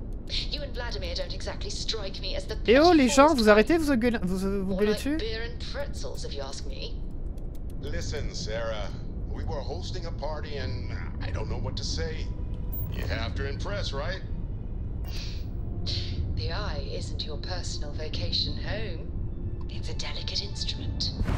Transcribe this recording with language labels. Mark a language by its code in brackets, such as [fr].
[en] You and Vladimir don't exactly strike me as the best. [fr] Eh oh, les gens, vous arrêtez, vous gueulez dessus? [en] Beer and pretzels, if you ask me. Listen, Sarah, we were hosting a party and I don't know what to say. You have to impress, right? The eye isn't your personal vacation home. It's a delicate instrument.